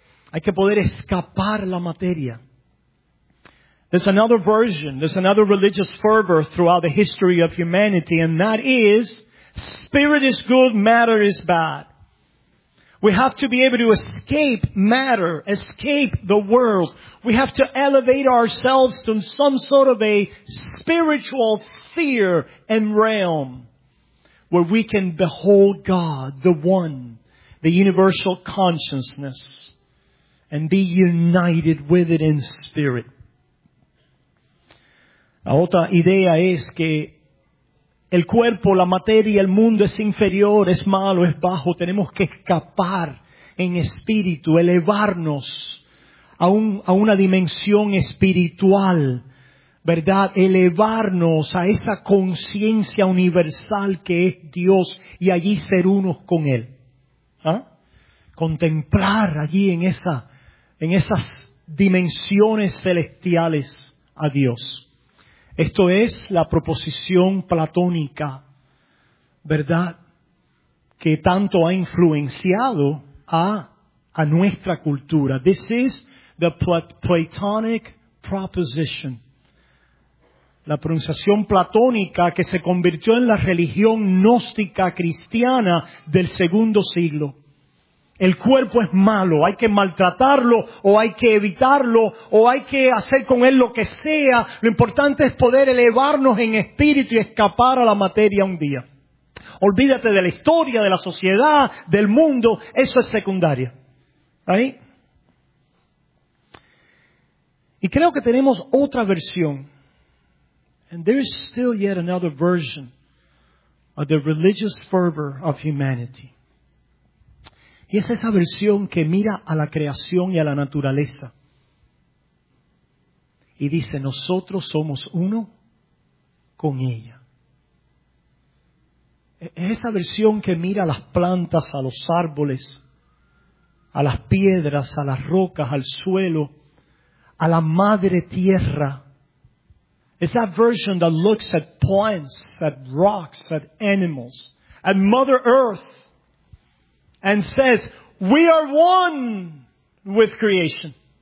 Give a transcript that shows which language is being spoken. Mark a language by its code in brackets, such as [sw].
[es] Hay que poder escapar la materia. [en] There's another version, there's another religious fervor throughout the history of humanity, and that is, spirit is good, matter is bad. We have to be able to escape matter, escape the world. We have to elevate ourselves to some sort of a spiritual sphere and realm where we can behold God, the One, the universal consciousness, and be united with it in spirit. [es] La otra idea es que el cuerpo, la materia, el mundo es inferior, es malo, es bajo. Tenemos que escapar en espíritu, elevarnos a una dimensión espiritual ¿verdad? Elevarnos a esa conciencia universal que es Dios y allí ser unos con Él. ¿Ah? Contemplar allí en esa, en esas dimensiones celestiales a Dios. Esto es la proposición platónica, ¿verdad? Que tanto ha influenciado a nuestra cultura. [en] This is the Platonic proposition. [es] La pronunciación platónica que se convirtió en la religión gnóstica cristiana del segundo siglo. El cuerpo es malo, hay que maltratarlo, o hay que evitarlo, o hay que hacer con él lo que sea. Lo importante es poder elevarnos en espíritu y escapar a la materia un día. Olvídate de la historia, de la sociedad, del mundo, eso es secundario. ¿Ahí? Y creo que tenemos otra versión. [en] And there is still yet another version of the religious fervor of humanity. [es] Y es esa versión que mira a la creación y a la naturaleza. Y dice, nosotros somos uno con ella. Es esa versión que mira a las plantas, a los árboles, a las piedras, a las rocas, al suelo, a la madre tierra. [en] It's that version that looks at plants, at rocks, at animals, at Mother Earth, and says, we are one with creation.